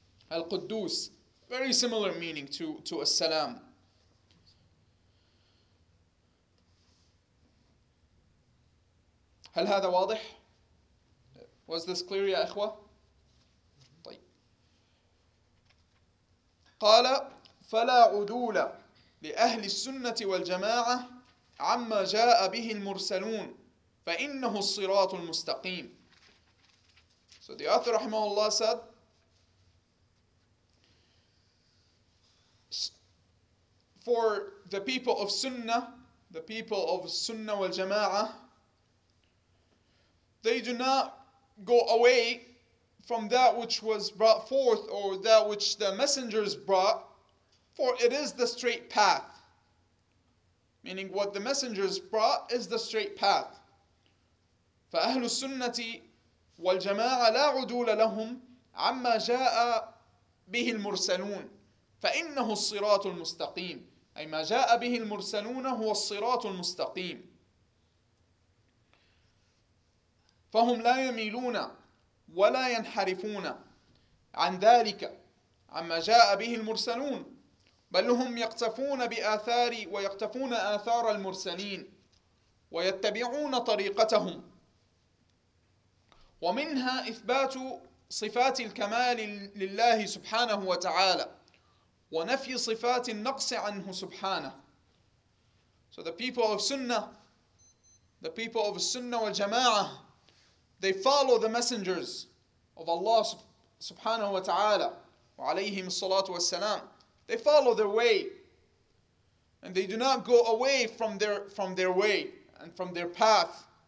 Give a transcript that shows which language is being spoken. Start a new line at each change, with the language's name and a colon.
English: Al-Quddus. Very similar meaning to As-Salam.
Arabic: هل هذا واضح?
English: Was this clear,
Arabic: يا إخوة? طيب. قال فلا عدول لأهل السنة والجماعة عما جاء به المرسلون فإنه الصراط المستقيم.
English: So the author رحمه الله said, for the people of Sunnah, the people of Sunnah wal-Jama'ah, they do not go away from that which was brought forth or that which the messengers brought, for it is the straight path. Meaning what the messengers brought is the straight path.
Arabic: فأهل السنة والجماعة لا عدول لهم عما جاء به المرسلون فإنه الصراط المستقيم أي ما جاء به المرسلون هو الصراط المستقيم فهم لا يميلون ولا ينحرفون عن ذلك عما جاء به المرسلون بل هم يقتفون بآثار ويقتفون آثار المرسلين ويتبعون طريقتهم ومنها إثبات صفات الكمال لله سبحانه وتعالى ونفي صفات النقص عنه سبحانه.
English: So the people of Sunnah, the people of Sunnah wal-Jama'ah, they follow the messengers of Allah subhanahu wa ta'ala
Arabic: وعليهم الصلاة والسلام.
English: They follow their way and they do not go away from their way and from their path.